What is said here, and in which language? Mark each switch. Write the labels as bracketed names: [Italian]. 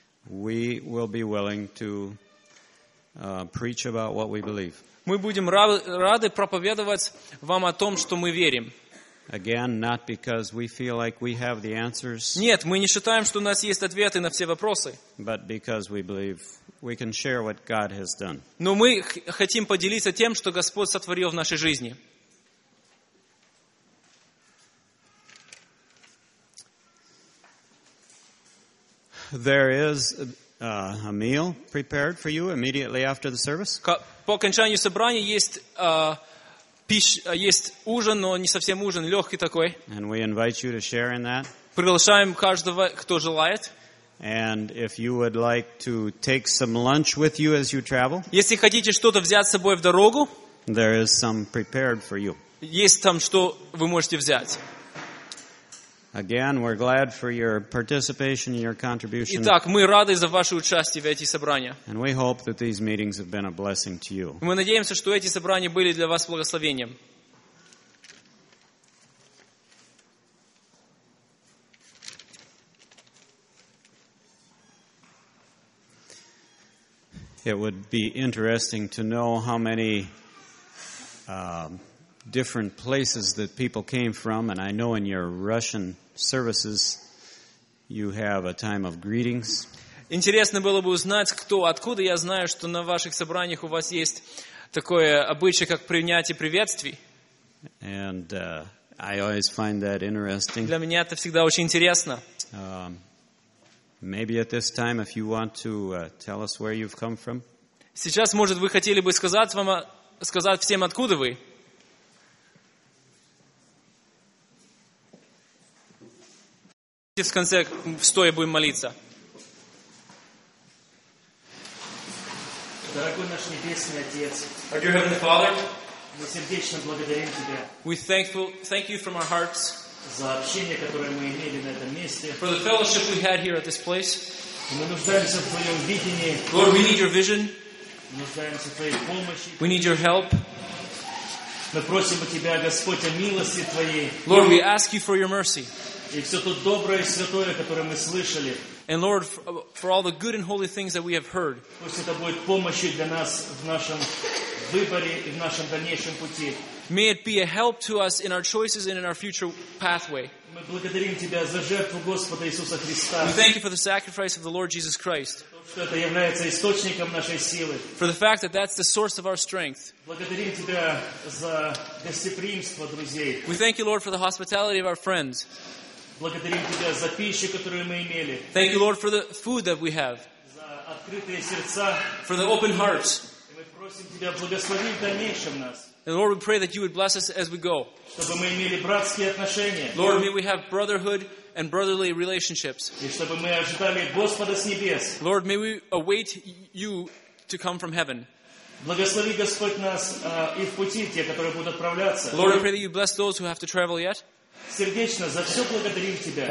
[English] we will be willing to preach about what we believe. [Russian] Мы будем рады проповедовать вам о том, что мы верим. [English] Again, not because we feel like we have the answers. [Russian] Нет, мы не считаем, что у нас есть ответы на все вопросы. [English] But because we believe we can share what God has done. [Russian] Но мы хотим поделиться тем, что Господь сотворил в нашей жизни. [English] There is a meal prepared for you immediately after the service. [Russian] По окончанию собрания есть ужин, но не совсем ужин, легкий такой. [English] And we invite you to share in that. [Russian] Приглашаем каждого, кто желает. [English] And if you would like to take some lunch with you as you travel. [Russian] Если хотите что-то взять с собой в дорогу. [English] There is some prepared for you. [Russian] Есть там что вы можете взять. [English] Again, we're glad for your participation and your contribution. [Russian] Итак, мы рады за ваше участие в эти собрания. [English] And we hope that these meetings have been a blessing to you. [Russian] Мы надеемся, что эти собрания были для вас благословением. [English] It would be interesting to know how many different places that people came from, and I know in your Russian services you have a time of greetings. [Russian] Интересно было бы узнать, кто откуда. Я знаю, что на ваших собраниях у вас есть такое обычай, как принятие приветствий. [English] And I always find that interesting. [Russian] Для меня это всегда очень интересно. [English] Maybe at this time, if you want to tell us where you've come from. [Russian] Сейчас, может, вы хотели бы сказать всем, откуда вы? В конце стоя будем молиться. Дорогой наш небесный Отец. [English] Our dear Heavenly Father. [Russian] Мы сердечно благодарим тебя. [English] We thank you from our hearts. [Russian] За общение, которое мы имели на этом месте. [English] For the fellowship we had here at this place. [Russian] Мы нуждаемся в твоем видении. [English] Lord, we need your vision. [Russian] Мы нуждаемся в твоей помощи. [English] We need your help. [Russian] Мы просим у тебя, Господь, о милости твоей. [English] Lord, we ask you for your mercy. [Russian] И все то доброе и святое, которое мы слышали. [English] And Lord, for all the good and holy things that we have heard. [Russian] Пусть это будет помощью для нас в нашем выборе и в нашем дальнейшем пути. [English] May it be a help to us in our choices and in our future pathway. [Russian] Мы благодарим тебя за жертву Господа Иисуса Христа. [English] We thank you for the sacrifice of the Lord Jesus Christ. [Russian] Что это является источником нашей силы. [English] For the fact that that's the source of our strength. [Russian] Благодарим тебя за гостеприимство друзей. [English] We thank you, Lord, for the hospitality of our friends. [Russian] Благодарим тебя за пищу, которую мы имели. [English] Thank you, Lord, for the food that we have. [Russian] За открытые сердца. [English] For the open hearts. [Russian] И мы просим тебя благословить в дальнейшем нас. [English] And Lord, we pray that you would bless us as we go. [Russian] Чтобы мы имели братские отношения. [English] Lord, may we have brotherhood and brotherly relationships. [Russian] И чтобы мы ожидали Господа с небес. [English] Lord, may we await you to come from heaven. [Russian] Благослови Господь нас и в пути те, которые будут отправляться. [English] Lord, I pray that you bless those who have to travel yet. [Russian] Сердечно за все благодарим тебя.